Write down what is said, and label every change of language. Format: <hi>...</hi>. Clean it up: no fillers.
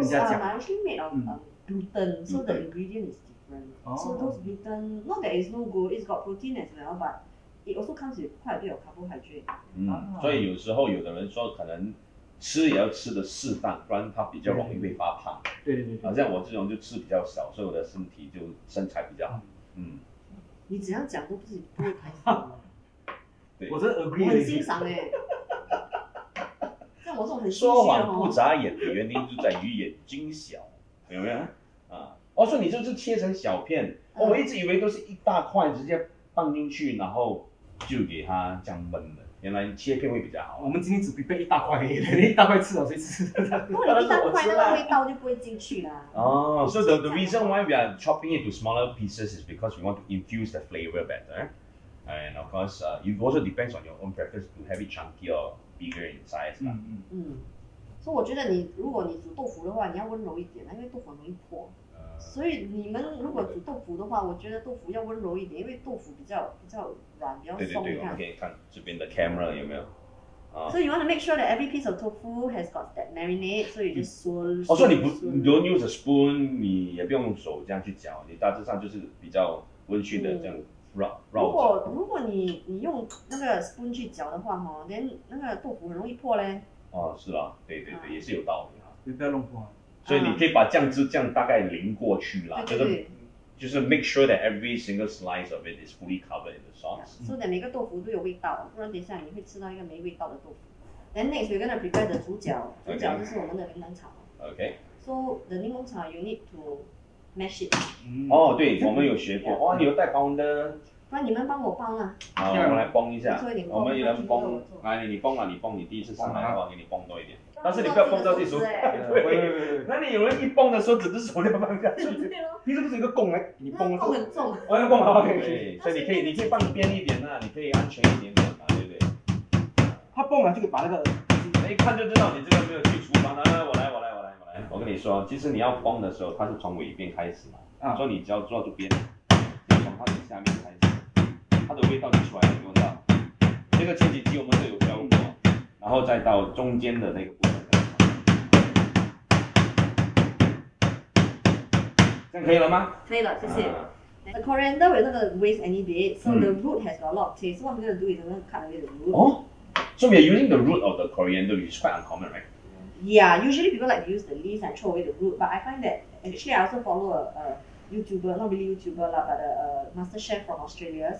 <en>Those are actually made of gluten, so the ingredient is different. So those gluten, not that it's no good, it's got protein as well, but it also comes with quite a bit of carbohydrate.</en> <zh>所以有时候有的人说可能吃也要吃的适当，不然它比较容易会发胖。对对对。好像我这种就吃比较少，所以我的身体就身材比较好。你怎样讲都不是不会开心。我真 agree，我很欣赏哎。像我这种很说谎不眨眼的原因就在于眼睛小，有没有啊？哦，所以你就是切成小片，我一直以为都是一大块直接放进去，然后就给它这样焖的。原来切片会比较好。我们今天只备一大块，一大块吃了谁吃？不过一大块那个味道就不会进去啦。</zh> <en>哦、so the reason why we are chopping it to smaller pieces is because we want to infuse the flavor better. And of course, it also depends on your own preference to have it chunky or bigger in size.</en> <zh>所以我觉得你如果你煮豆腐的话，你要温柔一点，因为豆腐容易破。所以你们如果煮豆腐的话，我觉得豆腐要温柔一点，因为豆腐比较软，比较松。对对对，我们可以看这边的 camera 有没有？所以</zh> <en>you want to make sure that every piece of tofu has got that marinade，</en> <zh>所以就说。哦，所以你不</zh> <en>don't use a spoon，</en> <zh>你也不用手这样去搅，你大致上就是比较温煦的这样绕。如果你用那个 spoon 去搅的话，哈，连那个豆腐很容易破嘞。哦，是啦，对对对，也是有道理哈。你不要弄破。所以你可以把酱汁这样大概淋过去啦，就是</zh> <en>make sure that every single slice of it is fully covered in the sauce. Yeah, so that</en> <zh>每个豆腐都有味道，不然等一下你会吃到一个没味道的豆腐。</zh> <en>Then next we're gonna prepare the</en> <zh>主角就是我们的柠檬草。</zh> <en>Okay. So the 柠檬草 you need to mash it.</en> <zh>对，我们有学过。哇，你有带帮的？那你们帮我帮啊。好，我们来帮一下。我们有人帮，来你帮啊，你帮，你第一次上来的话，给你帮多一点。但是你不要碰到这手，那你有人一碰的时候，整只手都要放下去。平时不是有个弓哎，你碰了。很重。我要弓好，可以。所以你可以放边一点呐，你可以安全一点点嘛，对不对？他碰了就可以把那个，一看就知道你这个没有去厨房的。我来。我跟你说，其实你要碰的时候，它是从尾边开始嘛。所以你只要抓住边，就从它的下面开始，它的味道就出来了，有没有？这个前几集我们都有教过。然后再到中间的那个部分，这样可以了吗？可以了，谢谢。</zh> <en>The coriander will not waste any bit, so the root has got a lot of taste. So what I'm going to do is I'm going to cut away the root. So we are using the root of the coriander, which is quite uncommon, right? Yeah, usually people like to use the leaves and throw away the root, but I find that actually I also follow a YouTuber, not really YouTuber lah, but a master chef from Australia.</en>